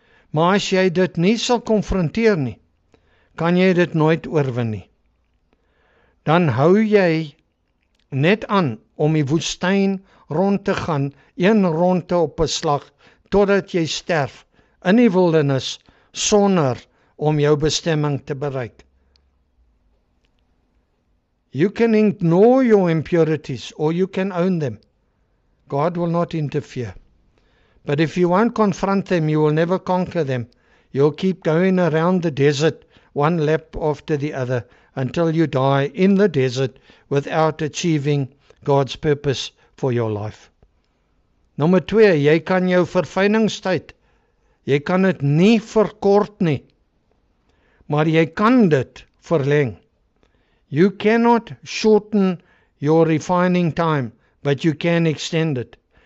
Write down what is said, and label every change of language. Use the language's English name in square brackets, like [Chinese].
[Afrikaans] Maar as jy dit nie sal konfronteer nie, kan jy dit nooit oorwin nie. Dan hou jy net aan om die woestyn rond te gaan, een ronde op 'n slag, totdat jy sterf in die wildernis, sonder om jou bestemming te bereik. [English] You can ignore your impurities, or you can own them. God will not interfere. But if you won't confront them, you will never conquer them. You'll keep going around the desert, one lap after the other, until you die in the desert without achieving God's purpose for your life. [Afrikaans] Nommer 2, jy kan jou verfyningstyd, jy kan het nie verkort nie, maar jy kan dit verleng. [English] You cannot shorten your refining time, but you can extend it.